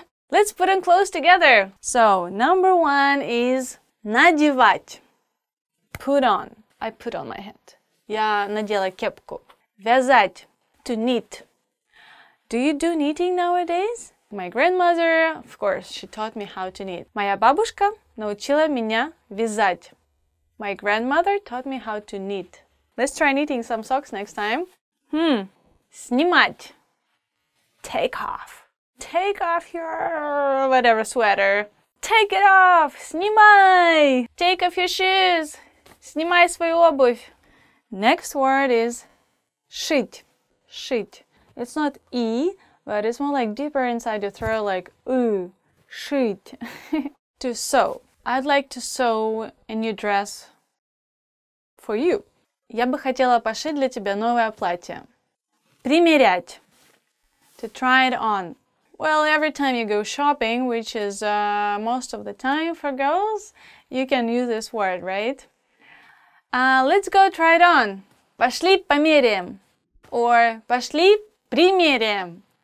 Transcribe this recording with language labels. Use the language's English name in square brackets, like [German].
[English] Let's put on clothes together. So, number one is надевать. Put on. I put on my hat. [Russian] Я надела кепку. Вязать. [English] To knit. Do you do knitting nowadays? My grandmother, of course, she taught me how to knit. [Russian] Моя бабушка научила меня вязать. [English] My grandmother taught me how to knit. Let's try knitting some socks next time. Снимать. Take off. Take off your whatever sweater. Take it off. [Russian] Снимай. [English] Take off your shoes. [Russian] Снимай свою обувь. [English] Next word is шить. Шить. It's not E, but it's more like deeper inside your throat, like ooh, shit. To sew. I'd like to sew a new dress for you. [Russian] Я бы хотела пошить для тебя новое платье. Примерять. [English] To try it on. Well, every time you go shopping, which is most of the time for girls, you can use this word, right? Let's go try it on. [Russian] Пошли померяем. Or пошли примерим.